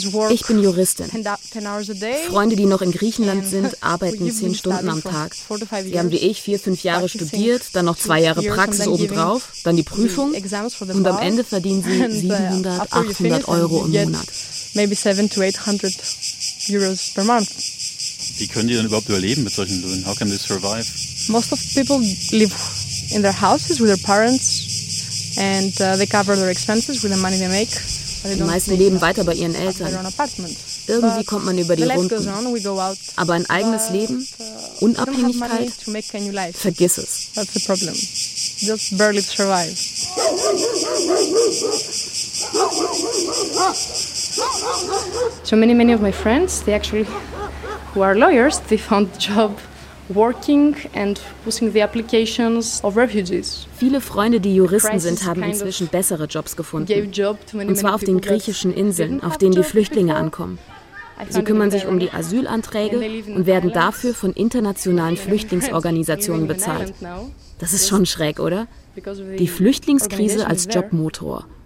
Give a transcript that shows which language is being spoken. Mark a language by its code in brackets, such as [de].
[de] Ich bin Juristin. Freunde, die noch in Griechenland sind, arbeiten 10 Stunden am Tag. Sie haben wie ich 4-5 Jahre studiert, dann noch 2 Jahre Praxis obendrauf, dann die Prüfung und am Ende verdienen sie 700-800 Euro im Monat. [en] Maybe 700-800 Euros per month. [de] Wie können die denn überhaupt überleben mit solchen Löhnen? [en] How can they survive? Most of people live in their houses with their parents and they cover their expenses with the money they make. [de] Die meisten leben weiter bei ihren Eltern. Irgendwie kommt man über die Runden. Aber ein eigenes Leben, Unabhängigkeit, vergiss es. [en] That's the problem. Just barely survive. So many of my friends, they actually, who are lawyers, they found a job working and pushing the applications of refugees. [de] Viele Freunde, die Juristen sind, haben inzwischen bessere Jobs gefunden. Und zwar auf den griechischen Inseln, auf denen die Flüchtlinge ankommen. Sie kümmern sich um die Asylanträge und werden dafür von internationalen Flüchtlingsorganisationen bezahlt. Das ist schon schräg, oder? Die Flüchtlingskrise als Jobmotor.